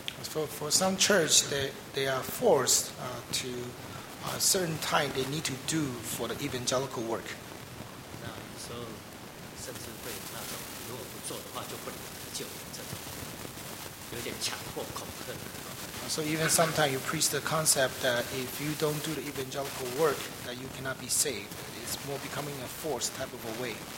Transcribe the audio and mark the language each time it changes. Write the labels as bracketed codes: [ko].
[en] For some church, they are forced to a certain time they need to do for the evangelical work. [zh] 那有时候甚至会那种如果不做的话就不能得救这种有点强迫恐吓。 [en] So even sometimes you preach the concept that if you don't do the evangelical work, that you cannot be saved. It's more becoming a forced type of a way.